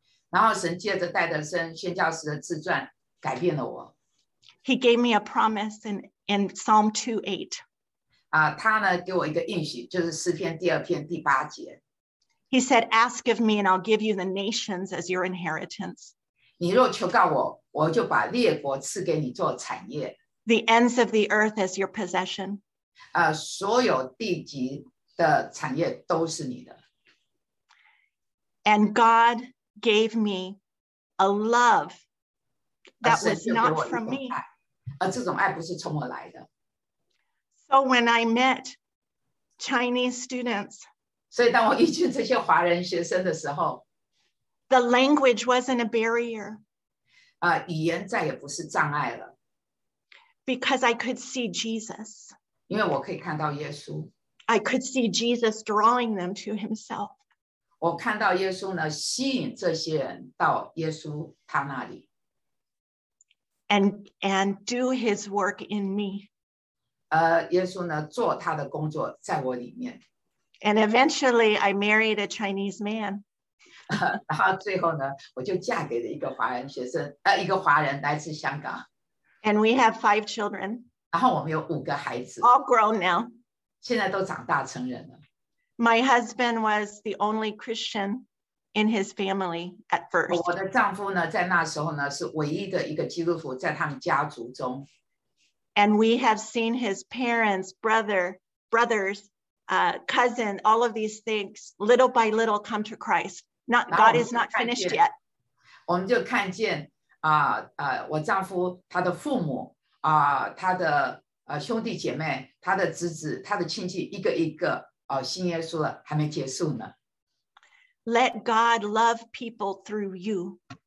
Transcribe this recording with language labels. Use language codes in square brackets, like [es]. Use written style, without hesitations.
[zh] 然后神借着戴德森宣教士的自传改变了我。 [en] He gave me a promise in Psalm 2:8. [zh] 他呢给我一个应许，就是诗篇第二篇第八节。 [en] He said, "Ask of me, and I'll give you the nations as your inheritance." [zh] 你若求告我。我就把列国赐给你做产业。 [en] The ends of the earth is your possession. [zh] 所有地极的产业都是你的。 [en] And God gave me a love that was not from me. [zh] 这种爱不是从我来的。 [en] So when I met Chinese students, [zh] 所以当我遇见这些华人学生的时候， [en] the language wasn't a barrier. [zh] 语言再也不是障碍了。 [en] Because I could see Jesus. [zh] 因为我可以看到耶稣。 [en] I could see Jesus drawing them to himself. [zh] 我看到耶稣呢，吸引这些人到耶稣他那里。 [en] And do his work in me. [zh] 耶稣呢，做他的工作在我里面。 [en] And eventually I married a Chinese man. [zh] 然后最后呢，我就嫁给了一个华人学生，一个华人来自香港。 [en] And we have 5 children. [zh] 然后我们有五个孩子。 [en] All grown now. [zh] 现在都长大成人了。 [en] My husband was the only Christian in his family at first. [zh] 我的丈夫呢，在那时候呢，是唯一的一个基督徒在他们家族中。 [en] And we have seen his parents, brothers, cousin, all of these things, little by little, come to Christ. Not God is not finished yet. [zh] 我们就看见我丈夫他的父母他的兄弟姐妹他的侄子他的亲戚一个一个信耶稣了，还没结束呢。 [en] Let God love people through you.